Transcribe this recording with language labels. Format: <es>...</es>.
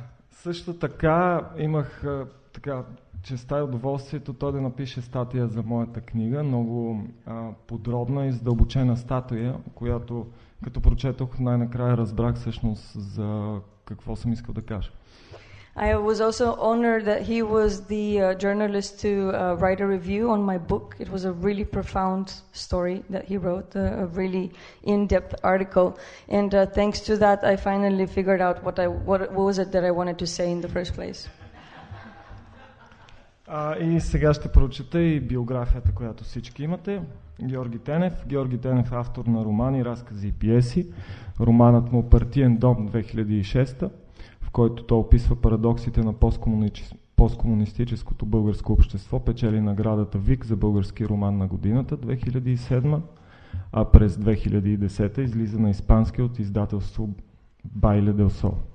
<bg>Също така имах така честа и удоволствието той да напише статия за моята книга, много подробна и задълбочена статия, която като прочетох най-накрая разбрах всъщност за какво съм искал да кажа.</bg> <en>I was also honored that he was the journalist to write a review on my book. It was a really profound story that he wrote, a really in-depth article. And thanks to that, I finally figured out what was it that I wanted to say in the first place.</en> <bg>И сега ще прочета и биографията, която всички имате. Георги Тенев. Георги Тенев е автор на романи, разкази и пиеси. Романът му Партиен дом 2006-та. В който той описва парадоксите на посткомунистическото българско общество, печели наградата ВИК за български роман на годината 2007, а през 2010 излиза на испански от издателство Байле Дел Сол.</bg>